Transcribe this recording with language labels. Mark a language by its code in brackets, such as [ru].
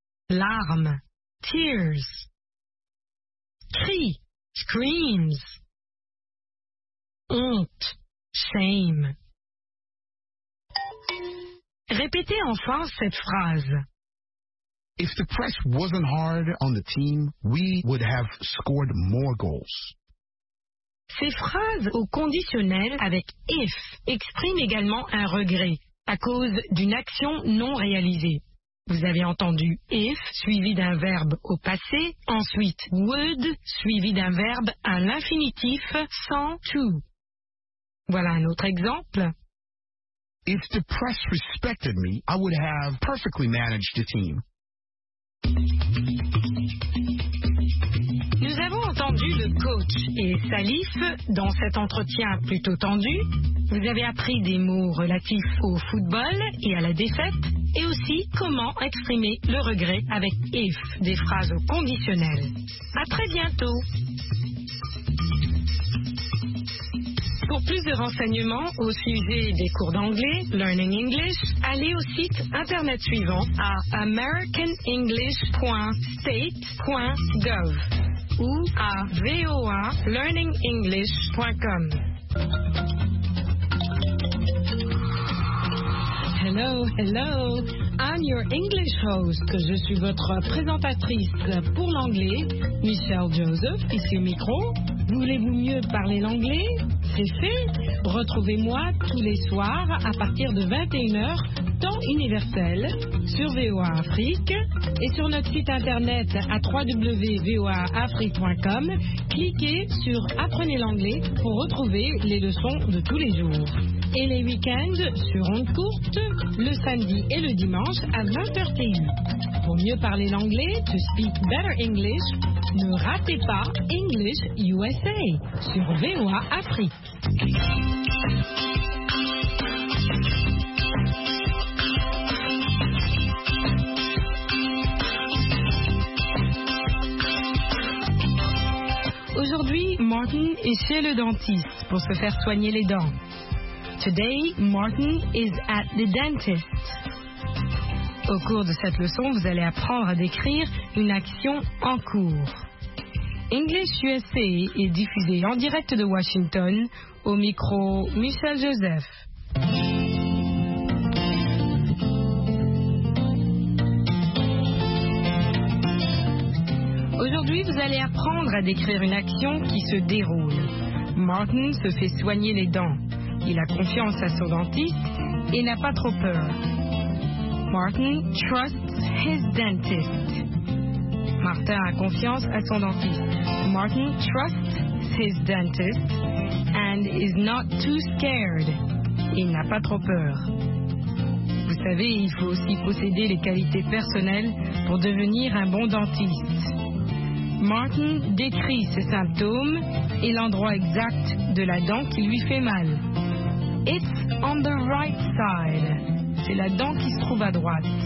[fr] Larme, tears. Cri, screams. Honte, shame. Répétez enfin cette phrase. [en] If the press wasn't hard on the team, we would have scored more goals. [fr] Ces phrases au conditionnel avec if expriment également un regret à cause d'une action non réalisée. Vous avez entendu if suivi d'un verbe au passé, ensuite would suivi d'un verbe à l'infinitif sans to. Voilà un autre exemple. [en] If the press respected me, I would have perfectly managed the team. [fr] Nous avons entendu le coach et Salif dans cet entretien plutôt tendu. Vous avez appris des mots relatifs au football et à la défaite, et aussi comment exprimer le regret avec if, des phrases au conditionnel. À très bientôt. Pour plus de renseignements au sujet des cours d'anglais, Learning English, allez au site internet suivant à americanenglish.state.gov ou à voalearningenglish.com. [en] Hello, hello, I'm your English host. [fr] Je suis votre présentatrice pour l'anglais, Michelle Joseph, ici au micro. Voulez-vous mieux parler l'anglais? C'est fait. Retrouvez-moi tous les soirs à partir de 21h, temps universel, sur VOA Afrique et sur notre site internet à www.voaafrique.com. Cliquez sur Apprenez l'anglais pour retrouver les leçons de tous les jours. Et les week-ends sur Onde Courte, le samedi et le dimanche à 20h TU. Pour mieux parler l'anglais, [en] to speak better English, [fr] ne ratez pas English USA sur VOA Afrique. Aujourd'hui, Martin est chez le dentiste pour se faire soigner les dents. [en] Today, Martin is at the dentist. [fr] Au cours de cette leçon, vous allez apprendre à décrire une action en cours. English USA est diffusé en direct de Washington au micro Michel Joseph. Aujourd'hui, vous allez apprendre à décrire une action qui se déroule. Martin se fait soigner les dents. Il a confiance à son dentiste et n'a pas trop peur. [en] Martin trusts his dentist. [fr] Martin a confiance à son dentiste. [en] Martin trusts his dentist and is not too scared. [fr] Il n'a pas trop peur. Vous savez, il faut aussi posséder les qualités personnelles pour devenir un bon dentiste. Martin décrit ses symptômes et l'endroit exact de la dent qui lui fait mal. [en] It's on the right side. [fr] C'est la dent qui se trouve à droite.